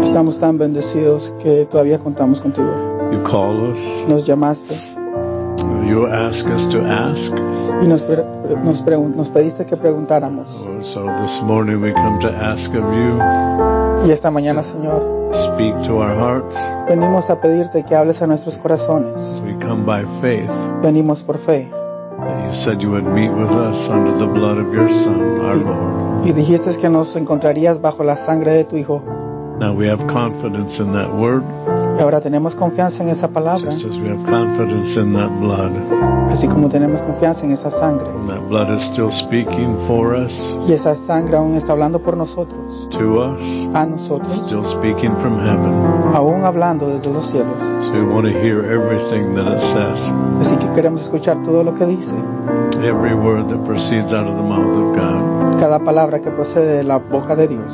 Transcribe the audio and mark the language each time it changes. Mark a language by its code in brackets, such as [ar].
[es] Estamos tan bendecidos que todavía contamos contigo. [en] You call us. [es] Nos llamaste. [en] You ask us to ask. [es] Y nos pediste que preguntáramos. [en] So this morning we come to ask of you. [es] Y esta mañana, Señor. [en] Speak to our hearts. [es] Venimos a pedirte que hables a nuestros corazones. [en] We come by faith. [es] Venimos por fe. [en] You said you would meet with us under the blood of your Son, our Lord. [es] Y dijiste que nos encontrarías bajo la sangre de tu Hijo. [en] Now we have confidence in that word. [es] Y ahora tenemos confianza en esa palabra. [en] Just as we have confidence in that blood. [es] Así como tenemos confianza en esa sangre. [en] And that blood is still speaking for us. [es] Y esa sangre aún está hablando por nosotros. [en] To us. [es] A nosotros. [en] Still speaking from heaven. [es] Aún hablando desde los cielos. [en] So we want to hear everything that it says. [es] Así que queremos escuchar todo lo que dice. [en] Every word that proceeds out of the mouth of God. [es] Cada palabra que procede de la boca de Dios.